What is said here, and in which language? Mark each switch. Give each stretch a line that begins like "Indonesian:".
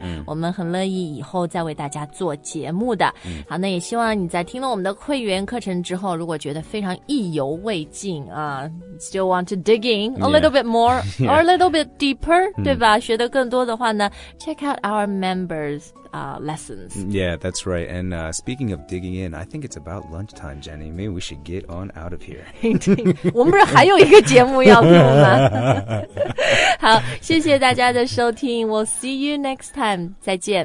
Chinese: 嗯、我们很乐意以后再为大家做节目的、嗯、好那也希望你在听了我们的会员课程之后如果觉得非常意犹未尽啊、
English: still want to dig in a little bit more yeah. Yeah. or a little bit deeper、嗯、
Chinese: 对吧学得更多的话呢
English: check out our members、lessons yeah that's right and、speaking of digging in I think it's about lunchtime Jenny maybe we should get on out of here
Chinese: 我们不是还有一个节目要录吗好谢谢大家的收听
English: we'll see you next time
Chinese: 再见